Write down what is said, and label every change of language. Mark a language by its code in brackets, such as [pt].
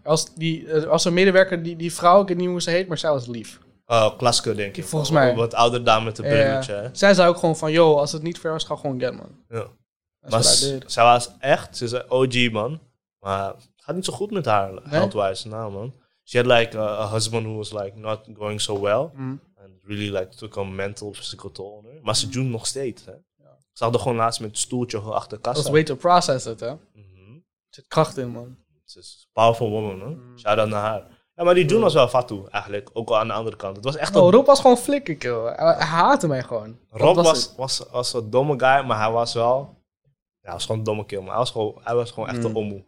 [nl] Als een medewerker, die vrouw, ik weet niet hoe ze heet, maar zij was lief. Klaske, denk ik. Volgens mij. Wat ouder dame met de brilletje. Ja. Zij zei ook gewoon van, yo, als het niet ver was, ga gewoon get, man. Ja. Maar zij was echt, ze zei OG, man. Maar het gaat niet zo goed met haar, geldwijze. Nou, man. [en] She had like a husband who was like not going so well. Mm. And really like took a mental physical toll on her. [nl] Maar ze doet nog steeds, hè. Ja. Ze hadden gewoon laatst met het stoeltje achter de kast. Dat is [en] way to process it, [nl] hè. Mm-hmm. Zit kracht in, man. Ze is een powerful woman, hè. Mm. Shout out naar haar. Ja, maar die doen was wel fatu eigenlijk, ook al aan de andere kant. Het was echt Rob was gewoon flikker, kill. Hij haatte mij gewoon. Rob was een domme guy, maar hij was wel... Ja, hij was gewoon een domme kill, maar hij was gewoon echt een omoe.